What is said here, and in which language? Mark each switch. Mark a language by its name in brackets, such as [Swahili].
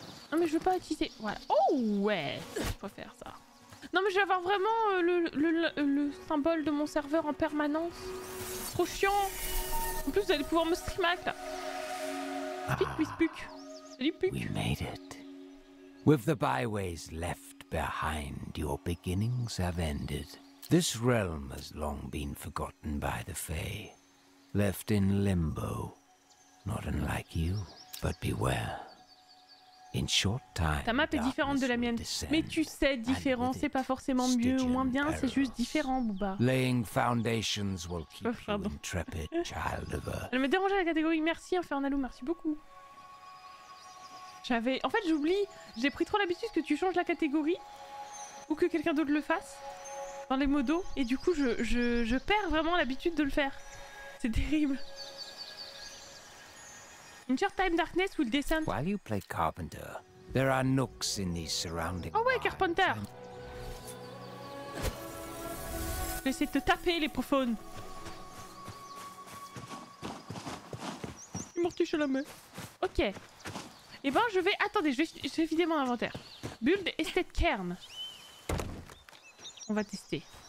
[French] Non mais je veux pas utiliser. Voilà. Oh ouais. Je préfère ça. Non mais je vais avoir vraiment le symbole de mon serveur en permanence. Trop chiant. En plus vous allez pouvoir me streamac là. Pic puis puc. Salut puc. [English] We made it. With the byways left behind, your beginnings have ended. This realm has long been forgotten by the Fae. Left in limbo. Not unlike you, but beware. In short time, [French] ta map est différente de la mienne. Mais tu sais, différent, c'est pas forcément mieux ou moins bien, c'est juste différent, Booba. [English] Laying foundations will keep you intrepid, child of Earth. [French] Elle me dérangeait la catégorie. Merci, Infernalou, merci beaucoup. J'avais. En fait, j'oublie. J'ai pris trop l'habitude que tu changes la catégorie. Ou que quelqu'un d'autre le fasse. Dans les modos, et du coup je perds vraiment l'habitude de le faire. C'est terrible. [English] In short time darkness will descend. While you play Carpenter, there are nooks in these surrounding. [French] Oh ouais, Carpenter. Je vais essayer de te taper, les profanes. Il mortiche à la main. Ok. Et ben je vais. Attendez, je vais vider mon inventaire. [English] Build Estate Cairn. [French] On va tester.